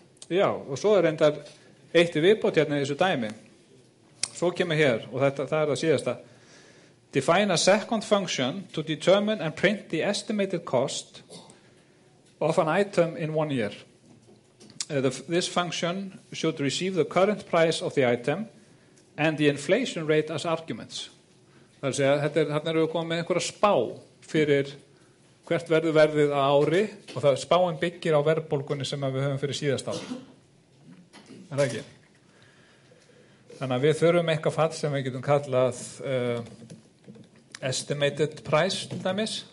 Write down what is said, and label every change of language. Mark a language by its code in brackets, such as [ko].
[is] Já, og svo reyndar eitt viðbót hérna í þessu dæmi. Svo kemur hér, og þetta, það það síðasta. [en] Define a second function to determine and print the estimated cost of an item in one year. This function should receive the current price of the item and the inflation rate as arguments. [is] Það segja, þetta þarna erum við komin með einhverja spá fyrir hvert verður verðið á ári og það spáin byggir á verðbólgunni sem við höfum fyrir síðast ári. Er ekki? Þannig að við þurfum eitthvað fall sem við getum kallað estimated price til dæmis.